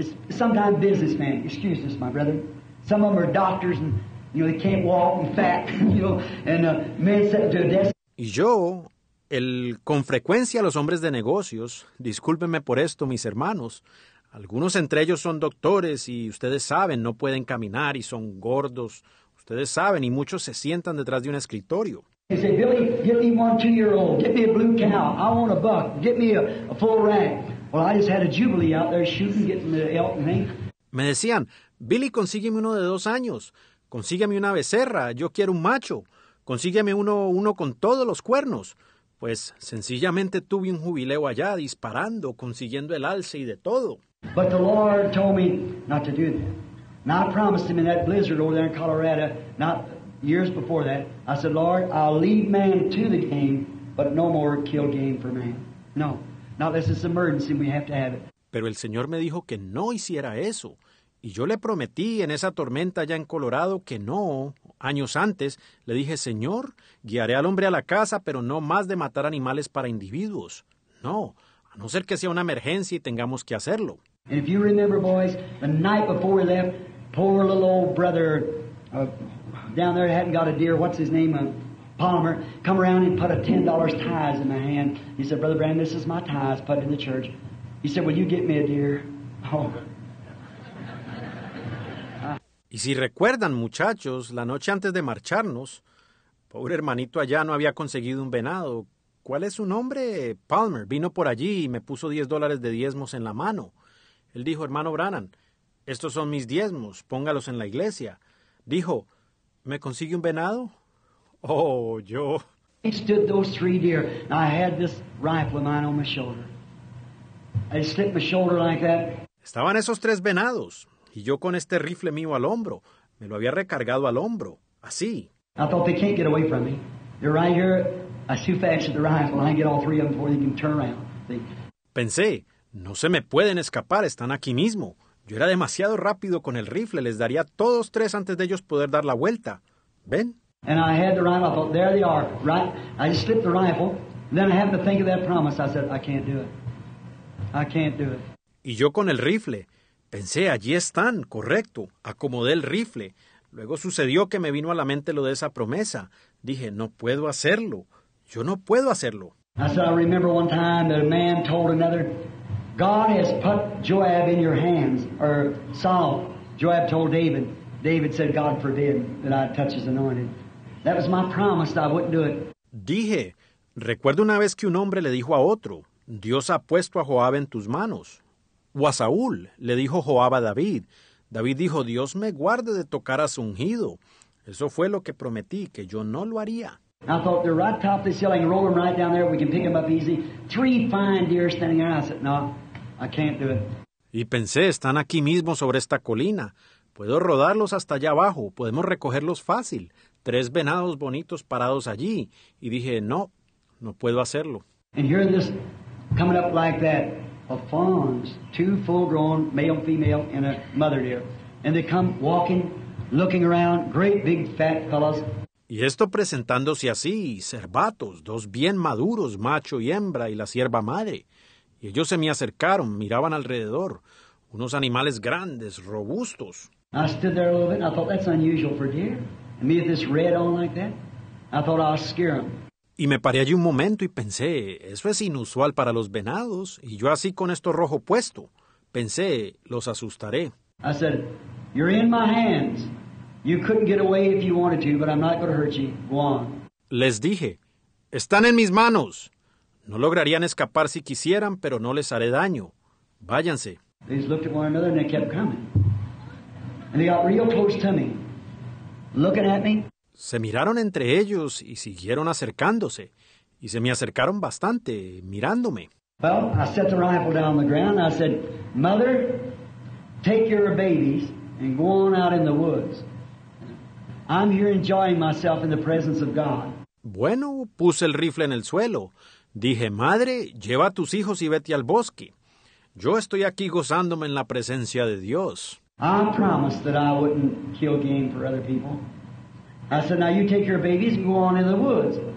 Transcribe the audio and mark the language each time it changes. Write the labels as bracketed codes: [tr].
[en] Sometimes businessmen, excuse this, my brother. Some of them are doctors and You know, they can't walk and fat, you know, and men set to a desk. [es] Y yo, el con frecuencia los hombres de negocios, discúlpenme por esto, mis hermanos, algunos entre ellos son doctores y ustedes saben, no pueden caminar y son gordos. Ustedes saben, y muchos se sientan detrás de un escritorio. [en] He said, Billy, get me 1 2-year-old. Get me a blue cow. I want a buck. Get me a full rack. Well, I just had a jubilee out there shooting, getting the elk and mink. [es] Me decían, Billy, consígueme uno de 2 años. Consígueme una becerra. Yo quiero un macho. Consígueme uno con todos los cuernos. Pues sencillamente tuve un jubileo allá, disparando, consiguiendo el alce y de todo. [en] But the Lord told me not to do that. And I promised him in that blizzard over there in Colorado, not years before that, I said, Lord, I'll lead man to the game, but no more kill game for man. No, not unless it's an emergency and we have to have it. [es] Pero el Señor me dijo que no hiciera eso. Y yo le prometí en esa tormenta allá en Colorado que no. Años antes, le dije, Señor, guiaré al hombre a la casa, pero no más de matar animales para individuos. No, a no ser que sea una emergencia y tengamos que hacerlo. [en] And if you remember, boys, the night before we left, poor little old brother down there hadn't got a deer, what's his name, Palmer, come around and put a $10 tithe in my hand. He said, Brother Brandon, this is my tithe, put it in the church. He said, will you get me a deer? Oh. [es] Y si recuerdan, muchachos, la noche antes de marcharnos, pobre hermanito allá no había conseguido un venado. ¿Cuál es su nombre? Palmer. Vino por allí y me puso $10 de diezmos en la mano. Él dijo, hermano Brannan, estos son mis diezmos, póngalos en la iglesia. Dijo, ¿me consigue un venado? Oh, yo. [en] He stood those 3 deer. I had this rifle of mine on my shoulder. I slipped my shoulder like that. [es] Estaban esos 3 venados. Y yo con este rifle mío al hombro, me lo había recargado al hombro, así. [en] I thought they can't get away from me. They're right here. I shoot fast at the rifle. I get all 3 of them before they can turn around. [es] Pensé, no se me pueden escapar. Están aquí mismo. Yo era demasiado rápido con el rifle. Les daría todos 3 antes de ellos poder dar la vuelta. ¿Ven? [en] And I had the rifle. I thought, there they are. Right. I just slipped the rifle. Then I happened to think of that promise. I said, I can't do it. I can't do it. [es] Y yo con el rifle. Pensé, allí están, correcto, acomodé el rifle. Luego sucedió que me vino a la mente lo de esa promesa. Dije, no puedo hacerlo, yo no puedo hacerlo. [en] I said, I remember one time that a man told another, God has put Joab in your hands, or Saul. Joab told David. David said, God forbid that I touch his anointed. That was my promise that I wouldn't do it. [es] Dije, recuerdo una vez que un hombre le dijo a otro, Dios ha puesto a Joab en tus manos. O a Saúl, le dijo Joab a David. David dijo, Dios me guarde de tocar a su ungido. Eso fue lo que prometí, que yo no lo haría. [en] I thought, they're right top of this hill, I can roll them right down there, we can pick them up easy. 3 fine deer standing there. I said, no, I can't do it. [es] Y pensé, están aquí mismo sobre esta colina. Puedo rodarlos hasta allá abajo, podemos recogerlos fácil. 3 venados bonitos parados allí. Y dije, no, no puedo hacerlo. [en] And hearing this coming up like that, of fawns, 2 full-grown male and female and a mother deer. And they come walking, looking around, great big fat fellows. [es] Y esto presentándose así, cervatos, 2 bien maduros, macho y hembra, y la sierva madre. Y ellos se me acercaron, miraban alrededor, unos animales grandes, robustos. [en] I stood there a little bit and I thought, that's unusual for deer. And me with this red on like that, I thought I'll scare them. [es] Y me paré allí un momento y pensé, eso es inusual para los venados. Y yo así con esto rojo puesto, pensé, los asustaré. [en] I said, you're in my hands. You couldn't get away if you wanted to, but I'm not going to hurt you. Go on. [es] Les dije, están en mis manos. No lograrían escapar si quisieran, pero no les haré daño. Váyanse. [en] They just looked at one another and they kept coming. And they got real close to me, looking at me. [es] Se miraron entre ellos y siguieron acercándose. Y se me acercaron bastante, mirándome. [en] Well, I set the rifle down on the ground. I said, Mother, take your babies and go on out in the woods. I'm here enjoying myself in the presence of God. [es] Bueno, puse el rifle en el suelo. Dije, Madre, lleva a tus hijos y vete al bosque. Yo estoy aquí gozándome en la presencia de Dios. [en] I promised that I wouldn't kill game for other people. I said, now you take your babies and go on in the woods.